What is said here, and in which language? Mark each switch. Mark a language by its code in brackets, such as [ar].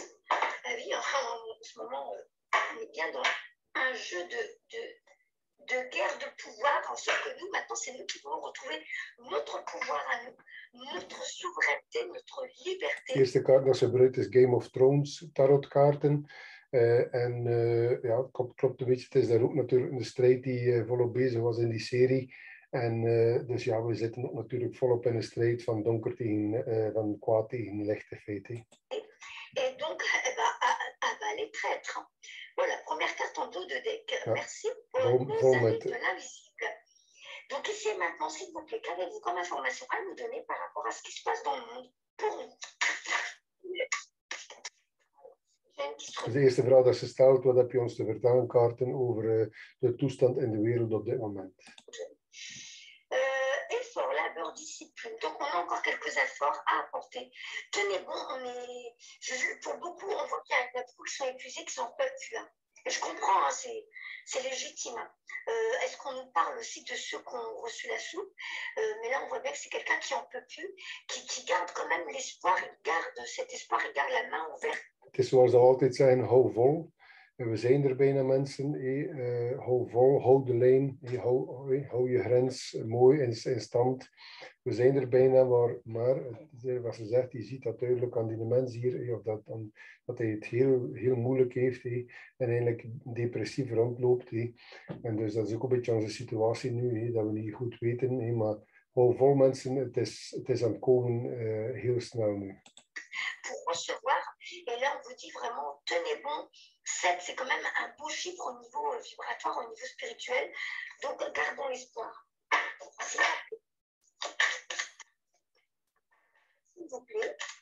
[fr] Ah oui, en ce moment, on est bien dans un jeu de guerre de pouvoir, en sorte que nous, maintenant, c'est nous qui pouvons retrouver notre pouvoir à nous, notre souveraineté, notre liberté. La première carte dans ce bruit est Game of Thrones, tarot carte. [nl] En ja, klopt een beetje, het is daar ook natuurlijk een strijd die volop bezig was in die serie. En dus ja, we zitten ook natuurlijk volop in een strijd van donker tegen, van kwaad tegen licht, in feite. [fr] En donc, les traîtres. Voilà, première carte en dos de deck. Ja. Merci pour nos amis de l'invisible. Donc, essayez maintenant, s'il vous plaît, qu'avez-vous comme information à nous donner par rapport à ce qui se passe dans le monde pour nous? [nl] Het eerste vraag dat ze stelt, wat heb je ons te vertellen, Kaarten, over de toestand in de wereld op dit moment? [fr] Effort, labeur, discipline. Donc on a encore quelques efforts à apporter. Tenez bon, on est... Pour beaucoup, on voit qu'il y a des groupes qui sont épuisés, qui s'en peuvent plus. Hein. Et je comprends, hein, c'est légitime. Est-ce qu'on nous parle aussi de ceux qui ont reçu la soupe? Mais là, on voit bien que c'est quelqu'un qui n'en peut plus, qui garde quand même l'espoir, il garde cet espoir, il garde la main ouverte. [nl] Het is zoals we altijd zeggen, hou vol. We zijn er bijna mensen. Hou vol, hou de lijn. Hou je grens mooi in stand. We zijn er bijna, maar wat ze zegt, je ziet dat duidelijk aan die mens hier. Of dat hij het heel, heel moeilijk heeft. En eigenlijk depressief rondloopt. En dus dat is ook een beetje onze situatie nu. Dat we niet goed weten. Maar hou vol mensen, het is aan het komen heel snel nu. [fr] Recevoir, et là on vous dit vraiment tenez bon, 7 c'est quand même un beau chiffre au niveau vibratoire, au niveau spirituel, donc gardons l'espoir. S'il vous plaît.